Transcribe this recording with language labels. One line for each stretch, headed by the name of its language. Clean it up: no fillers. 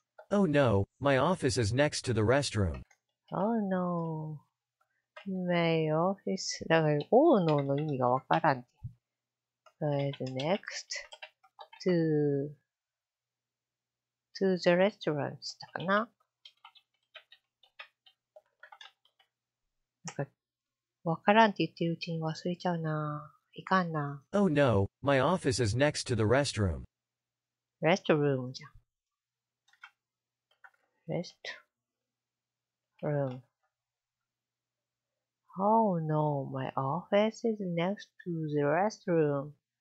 English: Oh no, my office is next to the restroom. Oh no, my office.
Japanese: だから、オーノーの意味がわからん。
English: Is next to the restaurant
Japanese: だかな。なんか、わからんって言ってるうちに忘れちゃうな。いかんな。
English: Oh no, my office is next to the restroom.
Japanese: Restroom じゃん。
English: Restroom. Oh no, my office is next to the restroom.